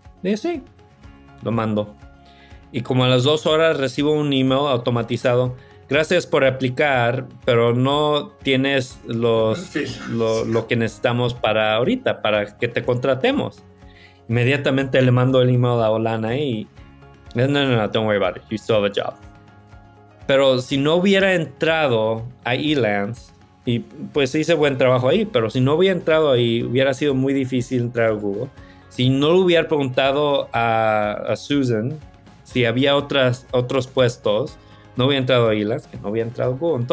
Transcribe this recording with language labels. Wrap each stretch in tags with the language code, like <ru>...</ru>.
<es>Dije, sí, lo mando. Y como a las 2 horas recibo un email automatizado. Gracias por aplicar, pero no tienes lo que necesitamos para ahorita, para que te contratemos. Inmediatamente le mando el email a Olana y...</es> <en>No, don't worry about it, you still have a job.</en> <es>Pero si no hubiera entrado a Elance, y pues hice buen trabajo ahí, pero si no hubiera entrado ahí, hubiera sido muy difícil entrar a Google. Si no le hubiera preguntado a Susan si había otros puestos, no hubiera entrado a Elance, que no hubiera entrado a Google.</es>